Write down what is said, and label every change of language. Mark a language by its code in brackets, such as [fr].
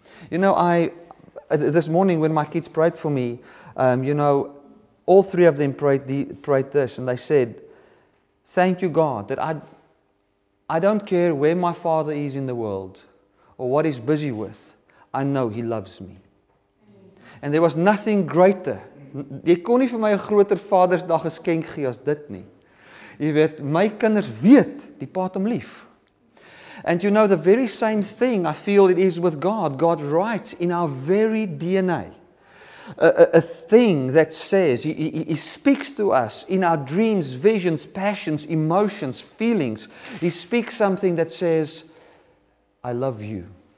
[en] You know, this morning when my kids prayed for me, you know, all three of them prayed this, and they said, thank you, God, that I don't care where my father is in the world or what he's busy with. I know he loves me. And there was nothing greater. [af] Jy kon nie vir my 'n groter Vadersdag geskenk gee as dit nie. Jy weet, my kinders weet die pa het hom lief. [en] And you know, the very same thing I feel it is with God. God writes in our very DNA. A thing that says, he speaks to us in our dreams, visions, passions, emotions, feelings. He speaks something that says, I love you.